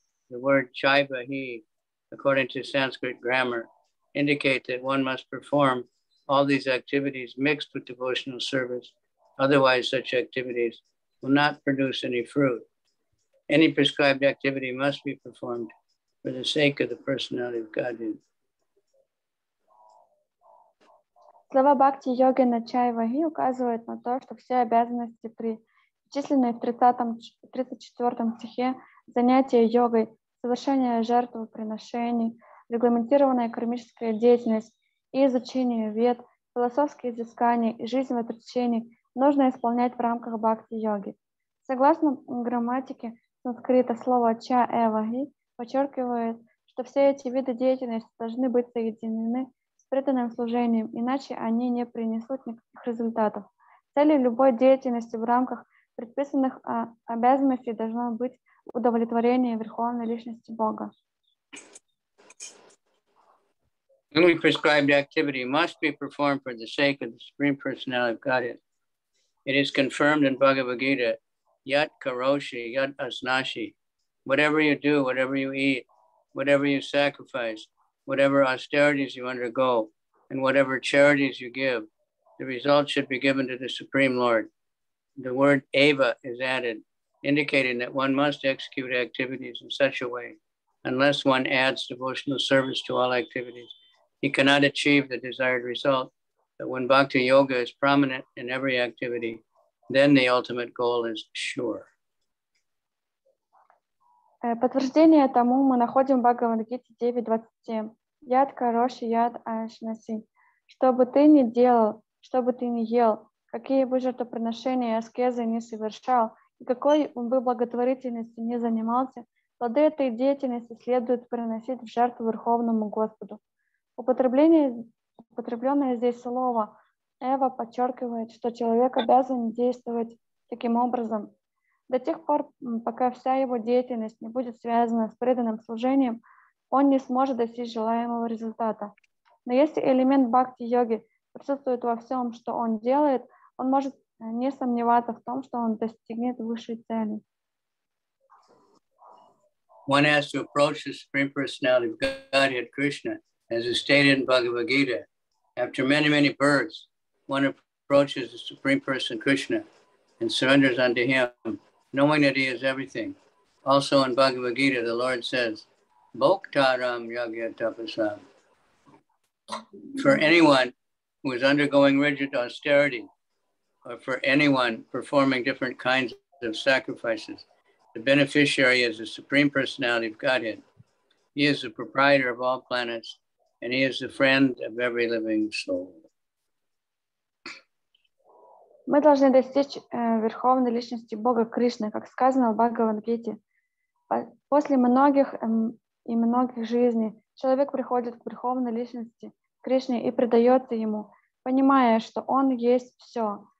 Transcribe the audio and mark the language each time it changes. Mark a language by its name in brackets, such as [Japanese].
[English] The word chaiva hi, according to Sanskrit grammar, indicate that one must perform all these activities mixed with devotional service. Otherwise, such activities will not produce any fruit. Any prescribed activity must be performed for the sake of the personality of Godhead. [Russian] Слова бхакти йоги на чай ваги указывают на то, что все обязанности, перечисленные в 34 стихе, занятия йогой, совершение жертвоприношений, регламентированная кармическая деятельность и изучение вед, философские изыскания и жизнь в отречении нужно исполнять в рамках бхакти-йоги. Согласно грамматике санскрита, слово «ча-эва-ги» подчеркивает, что все эти виды деятельности должны быть соединены с преданным служением, иначе они не принесут никаких результатов. Целью любой деятельности в рамках предписанных обязанностей должно быть удовлетворение Верховной Личности Бога. [English] Any prescribed activity must be performed for the sake of the Supreme Personality of Godhead. It is confirmed in Bhagavad Gita, [Sanskrit] yat karoshi, yat asnashi. [English] Whatever you do, whatever you eat, whatever you sacrifice, whatever austerities you undergo, and whatever charities you give, the result should be given to the Supreme Lord. The word eva is added, indicating that one must execute activities in such a way, unless one adds devotional service to all activities. He cannot achieve the desired result, but when bhakti yoga is prominent in every activity, then the ultimate goal is sure. [Russian] Подтверждение тому мы находим в Бхагавад-гите 9.27. [Sanskrit] Яд кароши, яд ашнаси. [Russian] Что бы ты ни делал, что бы ты ни ел, какие бы жертвоприношения и аскезы ни совершал, и какой бы благотворительностью ни занимался, плоды этой деятельности следует приносить в жертву Верховному Господу. Употребленное здесь слово «эва» подчеркивает, что человек обязан действовать таким образом. До тех пор, пока вся его деятельность не будет связана с преданным служением, он не сможет достичь желаемого результата. Но если элемент бхакти-йоги присутствует во всем, что он делает, он может не сомневаться в том, что он достигнет высшей цели. [English] One has to approach the Supreme Personality of Godhead, Krishna. As is stated in Bhagavad Gita, after many, many births, one approaches the Supreme Person Krishna and surrenders unto him, knowing that he is everything. Also in Bhagavad Gita, the Lord says, [Sanskrit] Bhoktaram yagya tapasam. [English] For anyone who is undergoing rigid austerity, or for anyone performing different kinds of sacrifices, the beneficiary is the Supreme Personality of Godhead. He is the proprietor of all planets, and he is the friend of every living soul. [Russian] Мы должны достичь Верховной Личности Бога Кришны, как сказано в Бхагавад-гите. После многих и многих жизней человек приходит к Верховной Личности Кришне и предается ему, понимая, что он есть все.